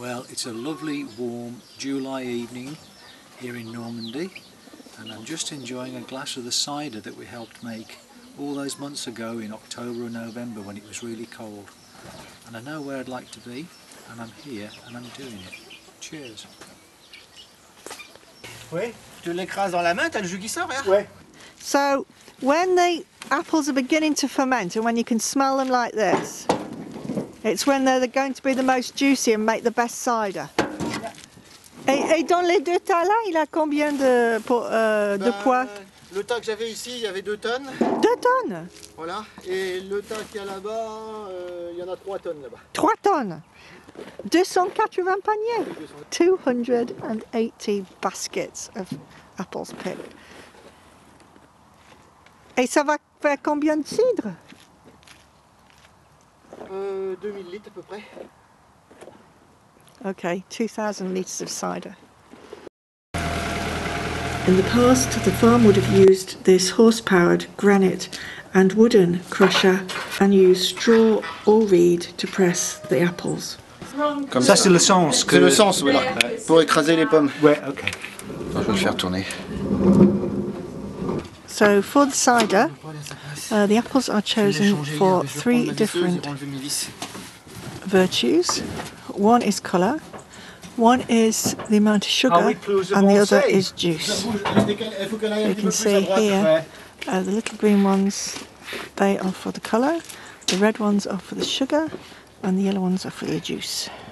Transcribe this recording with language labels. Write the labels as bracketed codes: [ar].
[en] It's a lovely warm July evening here in Normandy, and I'm just enjoying a glass of the cider that we helped make all those months ago in October or November when it was really cold. And I know where I'd like to be, and I'm here and I'm doing it. Cheers. [fr] Oui. Tu l'écrases dans la main, t'as le jus qui sort, hein? Oui. [en] So when the apples are beginning to ferment and when you can smell them like this, it's when they're going to be the most juicy and make the best cider. Yeah. [fr] Et dans les deux tas là, il a combien de poids? Le tas que j'avais ici, il y avait 2 tonnes. 2 tonnes? Voilà. Et le tas qu'il y a là-bas, il y en a 3 tonnes là-bas. 3 tonnes? 280 paniers. [en] 280 baskets of apples picked. [fr] Et ça va faire combien de cidre? 2000 litres à peu près. [en] Okay, 2000 litres of cider. In the past, the farm would have used this horse-powered granite and wooden crusher and used straw or reed to press the apples. [fr] Comme ça, c'est le sens. C'est le sens, voilà. Ouais. Pour écraser les pommes. Ouais, ok. Je vais le faire tourner. [en] So, for the cider, the apples are chosen for 3 different virtues. One is colour, one is the amount of sugar, and the other is juice. You can see here, the little green ones, they are for the colour, the red ones are for the sugar, and the yellow ones are for the juice.